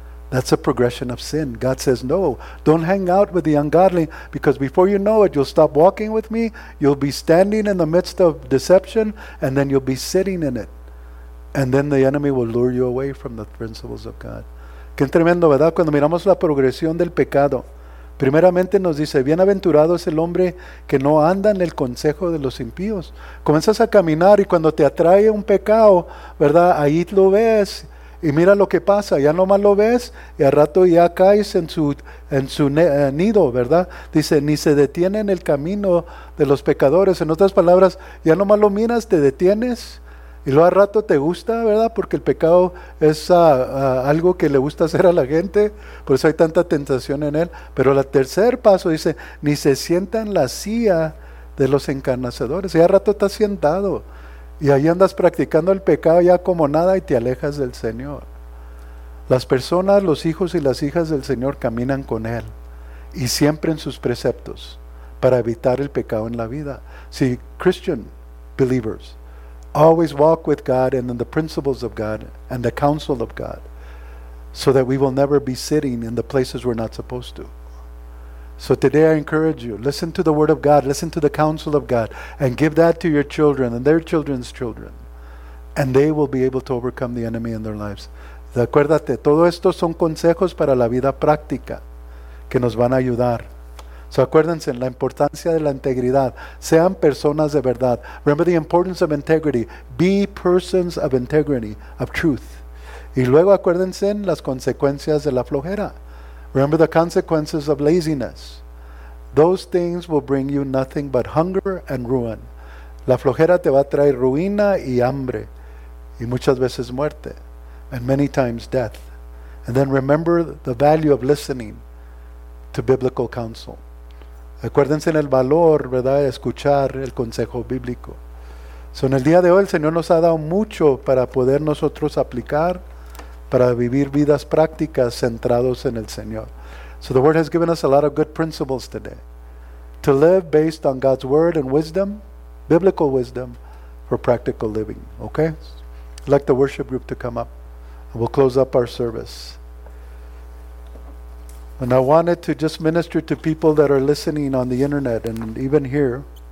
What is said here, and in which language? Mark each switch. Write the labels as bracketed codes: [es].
[en] That's a progression of sin. God says, no, don't hang out with the ungodly, because before you know it, you'll stop walking with me, you'll be standing in the midst of deception, and then you'll be sitting in it. And then the enemy will lure you away from the principles of God. [es] Qué tremendo, ¿verdad? Cuando miramos la progresión del pecado, primeramente nos dice, bienaventurado es el hombre que no anda en el consejo de los impíos. Comienzas a caminar y cuando te atrae un pecado, ¿verdad? Ahí lo ves y mira lo que pasa. Ya nomás lo ves y al rato ya caes en su nido, ¿verdad? Dice, ni se detiene en el camino de los pecadores. En otras palabras, ya nomás lo miras, te detienes y luego al rato te gusta, ¿verdad? Porque el pecado es algo que le gusta hacer a la gente, por eso hay tanta tentación en él. Pero el tercer paso dice, ni se sienta en la silla de los escarnecedores. Y al rato estás sentado y ahí andas practicando el pecado ya como nada y te alejas del Señor. Las personas, los hijos y las hijas del Señor caminan con él y siempre en sus preceptos para evitar el pecado en la vida. [en] Si Christian believers always walk with God and in the principles of God and the counsel of God, so that we will never be sitting in the places we're not supposed to. So today I encourage you, listen to the word of God, listen to the counsel of God, and give that to your children and their children's children, and they will be able to overcome the enemy in their lives. [es] Acuérdate, todo esto son consejos para la vida práctica que nos van a ayudar. So acuérdense, la importancia de la integridad. Sean personas de verdad. [en] Remember the importance of integrity. Be persons of integrity, of truth. [es] Y luego acuérdense en las consecuencias de la flojera. [en] Remember the consequences of laziness. Those things will bring you nothing but hunger and ruin. [es] La flojera te va a traer ruina y hambre. Y muchas veces muerte. [en] And many times death. And then remember the value of listening to biblical counsel. [es] Acuérdense en el valor, ¿verdad?, de escuchar el consejo bíblico. So, en el día de hoy el Señor nos ha dado mucho para poder nosotros aplicar, para vivir vidas prácticas centrados en el Señor. [en] So the word has given us a lot of good principles today. To live based on God's word and wisdom, biblical wisdom, for practical living. Okay? I'd like the worship group to come up. We'll close up our service. And I wanted to just minister to people that are listening on the internet and even here.